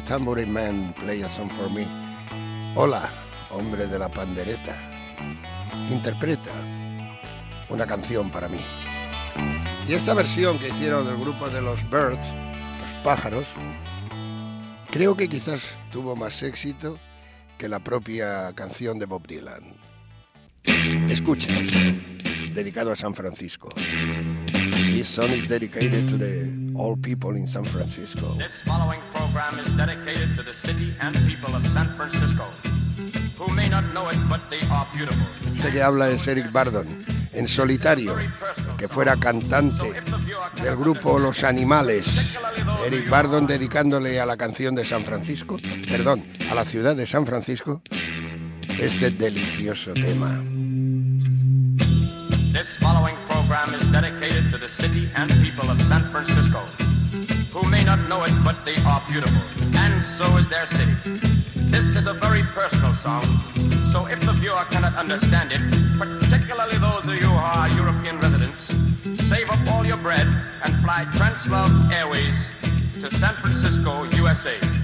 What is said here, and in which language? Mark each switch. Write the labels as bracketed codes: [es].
[en] Tambourine Man, play a song for me. [es] Hola, hombre de la pandereta, interpreta una canción para mí. Y esta versión que hicieron del grupo de los Birds, los pájaros, creo que quizás tuvo más éxito que la propia canción de Bob Dylan. Escucha esto, dedicado a San Francisco. [en] This song is dedicated to the all people in San Francisco. This following program is dedicated to the city and people of San Francisco, who may not know it, but they are beautiful. [es] Este que habla es Eric Burdon, en solitario, el que fuera cantante del grupo Los Animales. Eric Burdon dedicándole a la canción de San Francisco, perdón, a la ciudad de San Francisco, este delicioso tema. [en] This following program is dedicated to the city and people of San Francisco, who may not know it, but they are beautiful, and so is their city. This is a very personal song, so if the viewer cannot understand it, particularly those of you who are European residents, save up all your bread and fly Translove Airways to San Francisco, USA.